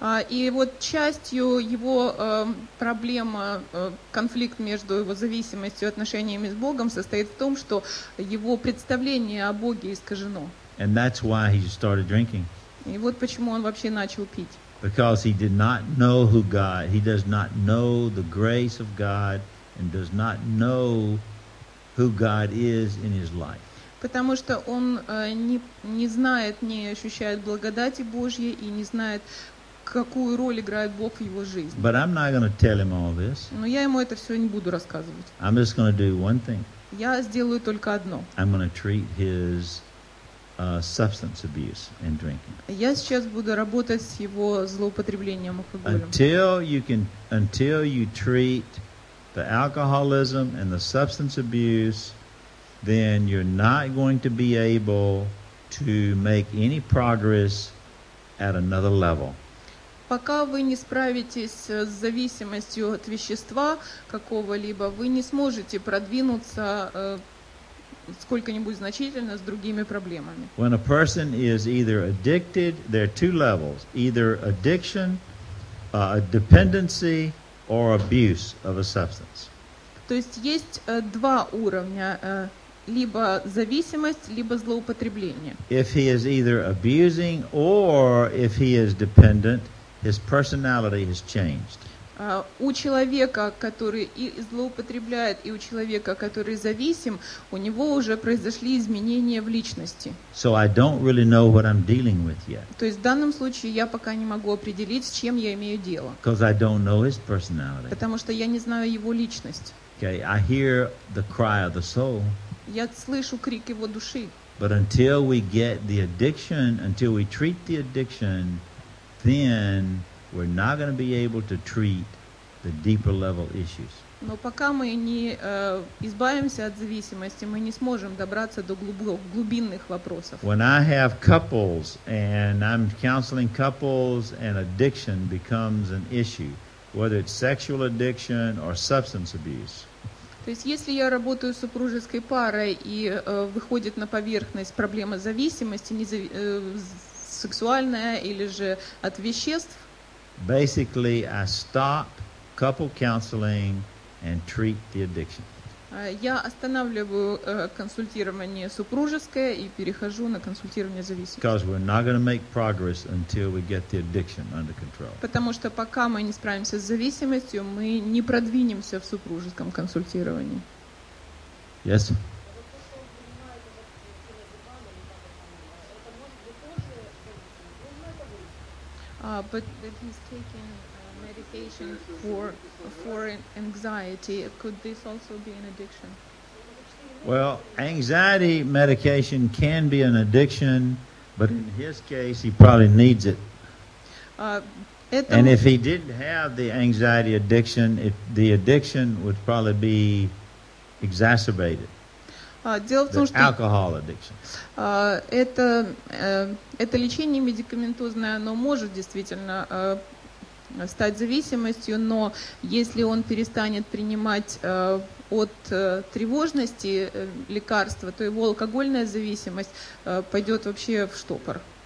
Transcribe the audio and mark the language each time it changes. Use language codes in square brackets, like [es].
[ru] И вот частью его проблема, конфликт между его зависимостью и отношениями с Богом состоит в том, что его представление о Боге искажено. [en] And that's why he started drinking. [ru] И вот почему он вообще начал пить. [en] Because he did not know who God, he does not know the grace of God, and does not know who God is in his life. [ru] Потому что он не знает, не ощущает благодати Божьей и не знает, какую роль играет Бог в его жизни. [en] But I'm not going to tell him all this. [ru] Но я ему это все не буду рассказывать. [en] I'm just going to do one thing. [ru] Я сделаю только одно. [en] I'm going to treat his substance abuse and drinking. [ru] Я сейчас буду работать с его злоупотреблением алкоголем. [en] Until you treat the alcoholism and the substance abuse, then you're not going to be able to make any progress at another level. [ru] Пока вы не справитесь с зависимостью от вещества какого-либо, вы не сможете продвинуться сколько-нибудь значительно с другими проблемами. [en] When a person is either addicted, there are two levels: either addiction, dependency, or abuse of a substance. [ru] То есть есть два уровня: либо зависимость, либо злоупотребление. [en] If he is either abusing or if he is dependent, his personality has changed. [ru] У человека, который и злоупотребляет, и у человека, который зависим, у него уже произошли изменения в личности. [en] So I don't really know what I'm dealing with yet. [ru] То есть в данном случае я пока не могу определить, с чем я имею дело. [en] Because I don't know his personality. [ru] Потому что я не знаю его личность. [en] Okay, I hear the cry of the soul. [ru] Я слышу крик его души. [en] But until we get the addiction, until we treat the addiction, then we're not going to be able to treat the deeper level issues. [ru] Но пока мы не избавимся от зависимости, мы не сможем добраться до глубинных вопросов. [en] When I have couples and I'm counseling couples and addiction becomes an issue, whether it's sexual addiction or substance abuse. [ru] То есть если я работаю с супружеской парой и выходит на поверхность проблема зависимости, сексуальная или же от веществ, [en] basically, I stop couple counseling and treat the addiction. [ru] Я останавливаю консультирование супружеское и перехожу на консультирование зависимости. [en] Because we're not going to make progress until we get the addiction under control. [ru] Потому что пока мы не справимся с зависимостью, мы не продвинемся в супружеском консультировании. [en] Yes. But that he's taking medication for anxiety, could this also be an addiction? Well, anxiety medication can be an addiction, but in his case, he probably needs it. And if he didn't have the anxiety addiction, if the addiction would probably be exacerbated. Alcohol addiction. [ru] Это лечение медикаментозное, оно может действительно стать зависимостью, но если он перестанет принимать от тревожности лекарства, то его алкогольная зависимость пойдет вообще в штопор.